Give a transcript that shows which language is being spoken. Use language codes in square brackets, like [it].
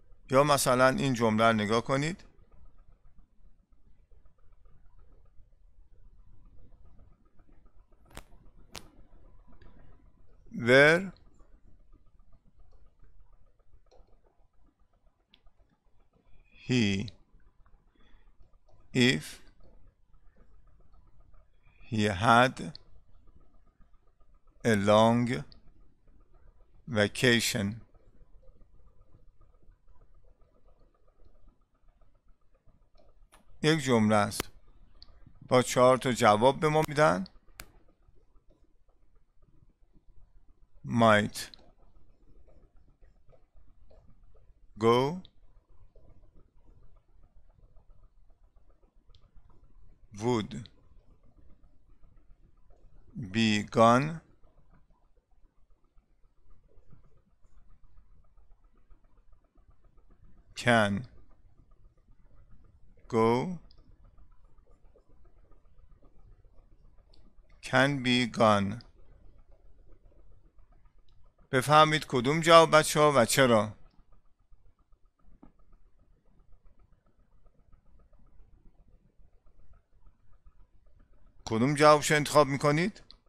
[fa] یا مثلا این جمله رو نگاه کنید، [en] Where he had a long vacation. [fa] یک جمله است با چهار تا جواب به ما میدن. [en] might go would be gone can go can be gone. [fa] بفهمید کدوم جواب بچه ها و چرا؟ کدوم جوابش انتخاب میکنید؟